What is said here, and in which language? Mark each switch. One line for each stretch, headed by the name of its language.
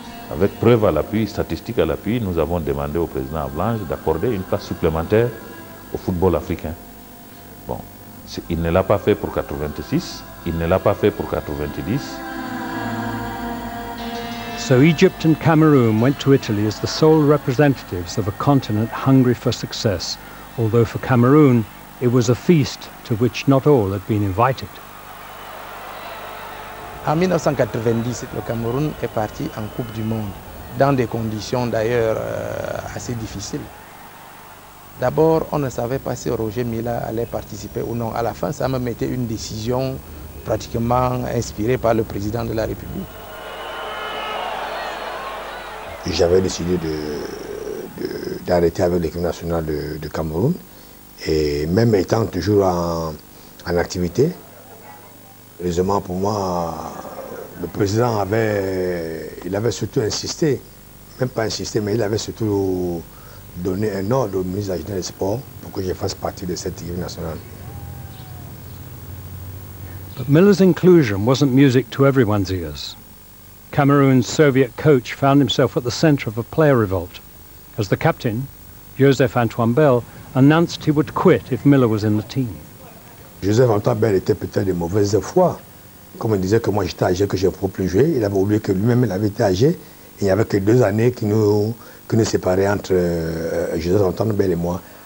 French: Avec preuve à l'appui, statistique à l'appui, nous avons demandé au président Ablange d'accorder une place supplémentaire au football africain. Bon, il ne l'a pas fait pour 86, il ne l'a pas fait pour 90.
English: So Egypt and Cameroon went to Italy as the sole representatives of a continent hungry for success, although for Cameroon, it was a feast to which not all had been invited.
French: En 1990, le Cameroun est parti en Coupe du Monde, dans des conditions d'ailleurs assez difficiles. D'abord, on ne savait pas si Roger Milla allait participer ou non. À la fin, ça m'a été une décision pratiquement inspirée par le président de la République. J'avais décidé d'arrêter avec l'équipe nationale de Cameroun. Et même étant toujours en activité, heureusement pour moi, le président avait surtout insisté, même pas insisté, mais il avait surtout donné un ordre au ministre des Jeunes et des Sports pour que je fasse partie de cette équipe nationale.
English: But Miller's inclusion wasn't music to everyone's ears. Cameroon's Soviet coach found himself at the center of a player revolt as the captain, Joseph Antoine Bell, announced he would quit if Miller was in the team.
French: Joseph Antoine Bell était peut-être de mauvaise foi. Comme il disait que moi j'étais âgé, que je ne pouvais plus jouer, il avait oublié que lui-même il avait été âgé. Il n'y avait que deux années qui nous séparaient entre Joseph Antoine Bell et moi.